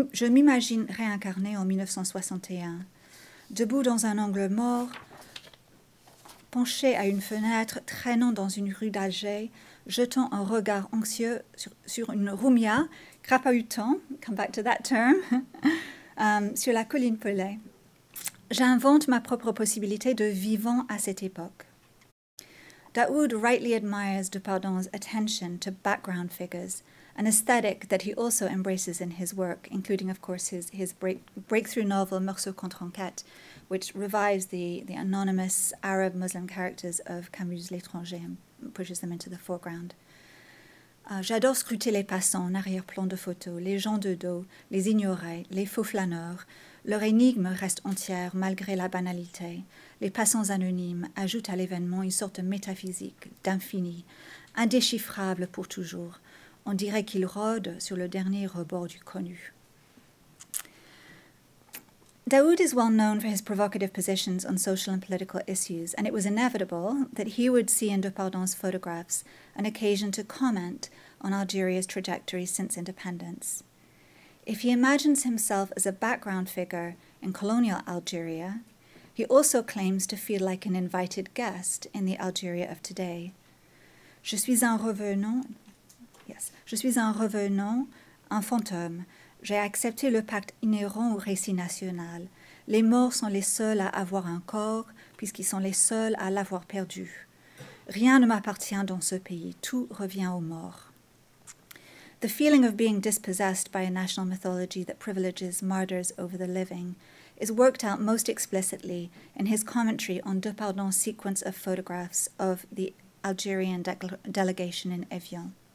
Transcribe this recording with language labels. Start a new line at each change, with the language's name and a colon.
French: Je m'imagine réincarné en 1961, debout dans un angle mort, penché à une fenêtre, traînant dans une rue d'Alger, jetant un regard anxieux sur une roumia, crapahutant,
English: come back to that term,
French: sur la colline Pelée. J'invente ma propre possibilité de vivant à cette époque.
English: Daoud rightly admires Depardon's attention to background figures, an aesthetic that he also embraces in his work, including, of course, his breakthrough novel, Morceau contre enquête, which revives the anonymous Arab Muslim characters of Camus' L'étranger and pushes them into the foreground.
French: J'adore scruter les passants en arrière-plan de photo, les gens de dos, les ignorés, les faux flâneurs. Leur énigme reste entière malgré la banalité. Les passants anonymes ajoutent à l'événement une sorte métaphysique d'infini, indéchiffrable pour toujours. On dirait qu'ils rôdent sur le dernier rebord du connu.
English: Daoud is well known for his provocative positions on social and political issues, and it was inevitable that he would see in Depardon's photographs an occasion to comment on Algeria's trajectory since independence. If he imagines himself as a background figure in colonial Algeria, he also claims to feel like an invited guest in the Algeria of today.
French: Je suis un revenant, un fantôme. J'ai accepté le pacte inhérent au récit national. Les morts sont les seuls à avoir un corps, puisqu'ils sont les seuls à l'avoir perdu. Rien ne m'appartient dans ce pays. Tout revient aux morts.
English: The feeling of being dispossessed by a national mythology that privileges martyrs over the living is worked out most explicitly in his commentary on Depardon's sequence of photographs of the Algerian delegation in Evian.